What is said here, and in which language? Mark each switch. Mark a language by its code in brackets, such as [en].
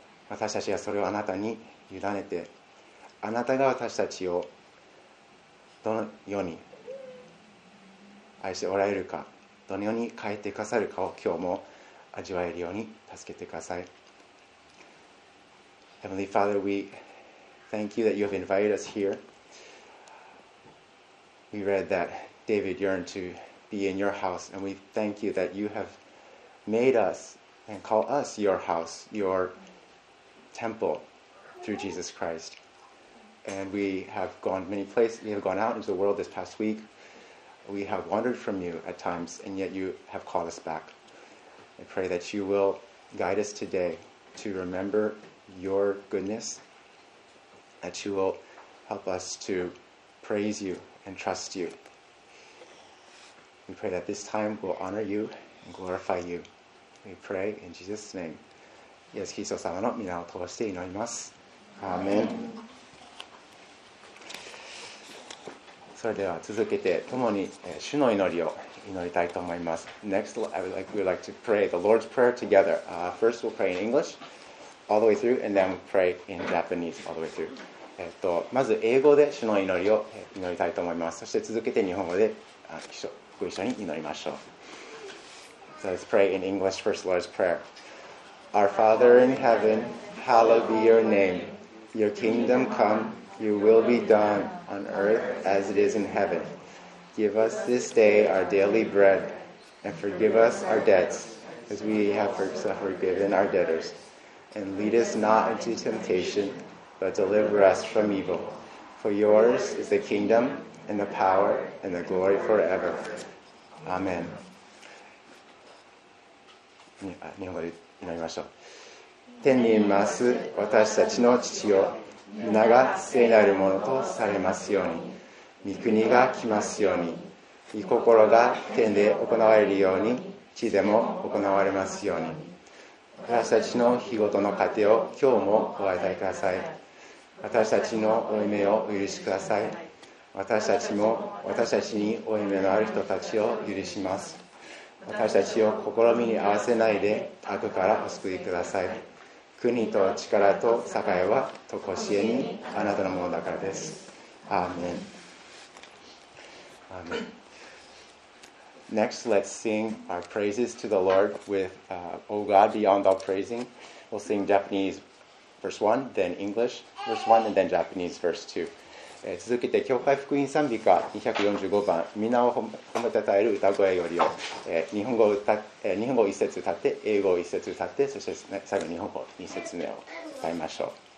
[ja] 私たちはそれをあなたに委ねて、あなたが私たちをどのように愛しておられるか、どのように変えてくださるかを今日も味わえるように助けてください。 [en] Heavenly Father, we thank you that you have invited us here. We read that David yearned to be in your house, and we thank you that you have made us and call us your house, your temple through Jesus Christ. And we have gone many places, we have gone out into the world this past week. We have wandered from you at times, and yet you have called us back. I pray that you will guide us today to remember your goodness, that you will help us to praise you and trust you. We pray that this time will honor you and glorify you. We pray in Jesus' name. [ja] イエス・キリスト様の御名を通して祈ります。アーメン。それでは続けて共に主の祈りを祈りたいと思います。 [en] Next, we would like to pray the Lord's Prayer together. First, we'll pray in English all the way through, and then we'll pray in Japanese all the way through. [ja] まず英語で主の祈りを祈りたいと思います。そして続けて日本語でご一緒に祈りましょう。 [en] So let's pray in English first, Lord's Prayer. Our Father in heaven, hallowed be your name. Your kingdom come, your will be done on earth as it is in heaven. Give us this day our daily bread, and forgive us our debts, as we have forgiven our debtors. And lead us not into temptation, but deliver us from evil. For yours is the kingdom, and the power, and the glory forever. Amen. [ja] 日本語で祈りましょう。天にいます私たちの父よ、皆が聖なるものとされますように、御国が来ますように、御心が天で行われるように地でも行われますように、私たちの日ごとの糧を今日もお与えください。私たちの負い目をお許しください。私たちも私たちに負い目のある人たちを許します。私たちを試みに合わせないで悪からお救いください。国と力と栄えはとこしえにあなたのものだからです。アーメン。 [en] Next, let's sing our praises to the Lord with O God Beyond All Praising. We'll sing Japanese verse 1, then English verse 1, and then Japanese verse 2. [ja] 続けて教会福音賛美歌245番、皆を褒めたたえる歌声よりを、日本語を一節歌って、英語を一節歌って、そして、ね、最後に日本語二節目を歌いましょう。